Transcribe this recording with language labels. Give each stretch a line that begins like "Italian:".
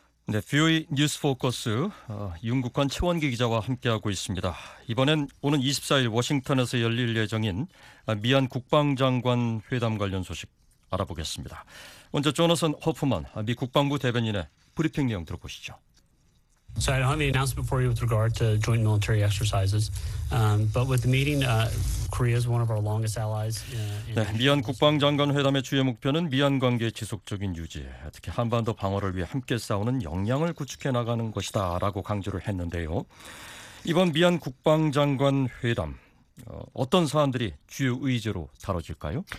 Korean: 네, 뷰이 뉴스 포커스 윤국관 최원기 기자와 함께하고 있습니다. 이번엔 오는 24일 워싱턴에서 열릴 예정인 미한 국방장관 회담 관련 소식 알아보겠습니다. 먼저 조너선 호프먼 미 국방부 대변인의 브리핑 내용 들어보시죠.
English: So I don't have the announcement for you with regard to joint military exercises, but with the meeting, Korea is one of our longest allies.
Korean: 네, 미한 국방장관 회담의 주요 목표는 미한 관계 지속적인 유지, 특히 한반도 방어를 위해 함께 싸우는 역량을 구축해 나가는 것이다라고 강조를 했는데요. 이번 미한 국방장관 회담. 어떤 사안들이 주요 의제로 다뤄질까요?